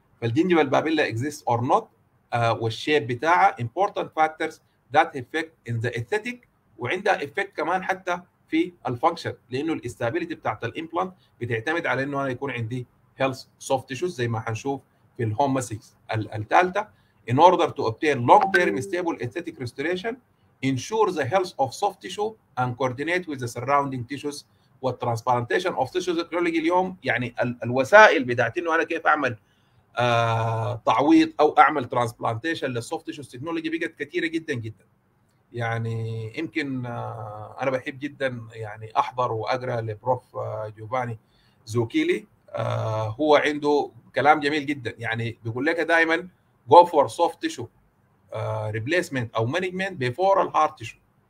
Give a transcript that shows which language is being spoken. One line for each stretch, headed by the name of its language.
Arabic: فالجنجيفا البابيلا
English: exists or not
Arabic: والشيب بتاعها
English: important factors that effect in the aesthetic،
Arabic: وعندها effect كمان حتى في الفانكشن، لانه الاستابيليتي بتاعت الامبلانت بتعتمد على انه انا يكون عندي
English: health soft tissues
Arabic: زي ما حنشوف في الهوم ماسكس الثالثه.
English: In order to obtain long-term stable aesthetic restoration, ensure the health of soft tissue and coordinate with the surrounding tissues والtransplantation of tissues.
Arabic: الكرولوجي اليوم يعني الوسائل بتاعت انه انا كيف اعمل تعويض او اعمل transplantation لل
English: soft tissues technology
Arabic: بقت كثيره جدا جدا. يعني يمكن انا بحب جدا يعني احضر واقرا لبروف جوفاني زوكيلي، هو عنده كلام جميل جدا، يعني بيقول لك دائما
English: go for soft tissue replacement
Arabic: او
English: management before the hard tissue.